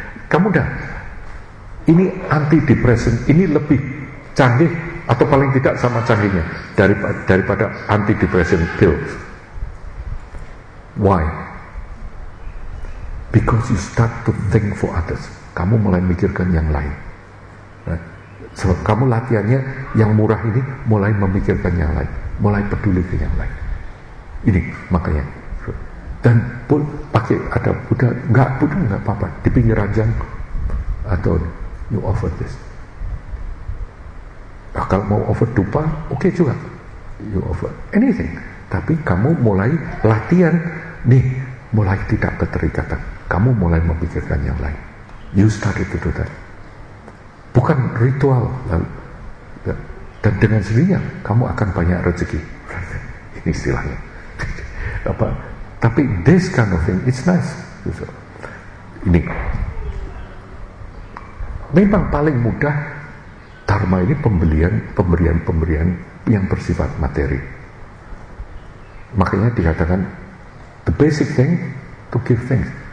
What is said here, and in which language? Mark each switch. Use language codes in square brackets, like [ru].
[id] Kamu dah, ini antidepresan, ini lebih canggih atau paling tidak sama canggihnya daripada antidepresan pills. [en] Why? Because you start to think for others. [id] Kamu mulai mikirkan yang lain. Sebab kamu latihannya yang murah ini, mulai memikirkan yang lain, mulai peduli ke yang lain. Ini makanya. Dan pun pakai ada Buddha, enggak Buddha enggak apa-apa, di pinggir ranjang atau [en] you offer this. [id] Nah, kalau mau offer dupa, okay juga. [en] You offer anything. [id] Tapi kamu mulai latihan nih, mulai tidak keterikatan. Kamu mulai memikirkan yang lain. [en] You started to do that. [id] Bukan ritual. Dan dengan sendirinya kamu akan banyak rezeki. Ini istilahnya. Apa? Tapi [en] this kind of thing, it's nice. [id] Ini memang paling mudah. Dharma ini pemberian yang bersifat materi. Makanya dikatakan [en] the basic thing to give things.